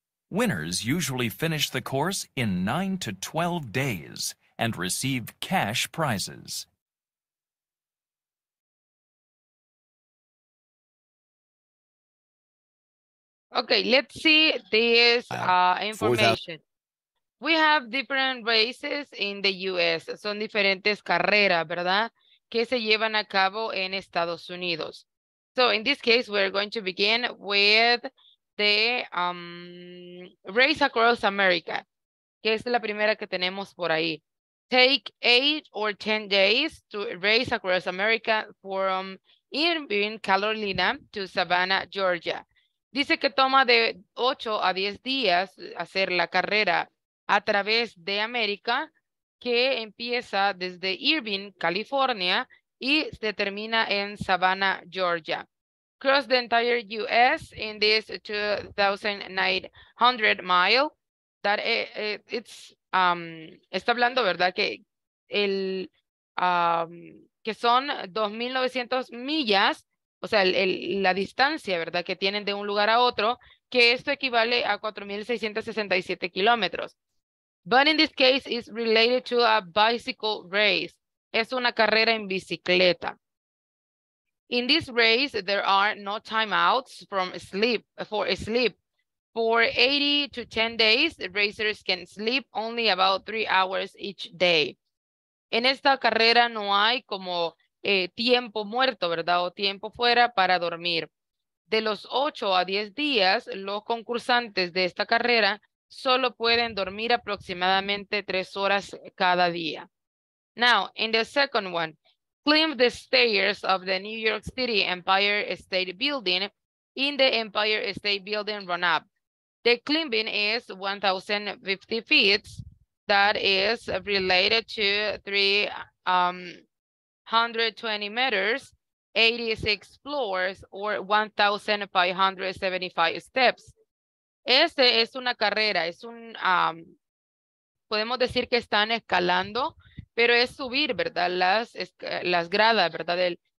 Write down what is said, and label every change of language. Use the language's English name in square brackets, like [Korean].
[English] Winners usually finish the course in 9 to 12 days and receive cash prizes. Okay, let's see this information. We have different races in the U.S. [Spanish] Son diferentes carreras, ¿verdad? Que se llevan a cabo en Estados Unidos. [English] So, in this case, we're going to begin with the race across America, [Spanish] que es la primera que tenemos por ahí. [English] Take 8 or 10 days to race across America from Irvine, Carolina to Savannah, Georgia. [Spanish] Dice que toma de 8 a 10 días hacer la carrera a través de América, que empieza desde Irvine, California, y se termina en Savannah, Georgia. [English] Cross the entire U.S. in this 2,900 mile. That it's, [Spanish] está hablando, ¿verdad? Que, el, que son 2,900 millas, o sea, la distancia, ¿verdad? Que tienen de un lugar a otro, que esto equivale a 4,667 kilómetros. [English] But in this case, it's related to a bicycle race. [Spanish] Es una carrera en bicicleta. [English] In this race, there are no timeouts for sleep. For 80 to 10 days, racers can sleep only about 3 hours each day. [Spanish] En esta carrera no hay como tiempo muerto, ¿verdad? O tiempo fuera para dormir. De los 8 a 10 días, los concursantes de esta carrera solo pueden dormir aproximadamente 3 horas cada día. [English] Now, in the second one, climb the stairs of the New York City Empire State Building in the Empire State Building run up. The climbing is 1,050 feet. That is related to 320 meters, 86 floors, or 1,575 steps. [Spanish] Este es una carrera, es un, podemos decir que están escalando, pero es subir, ¿verdad? Las gradas, ¿verdad?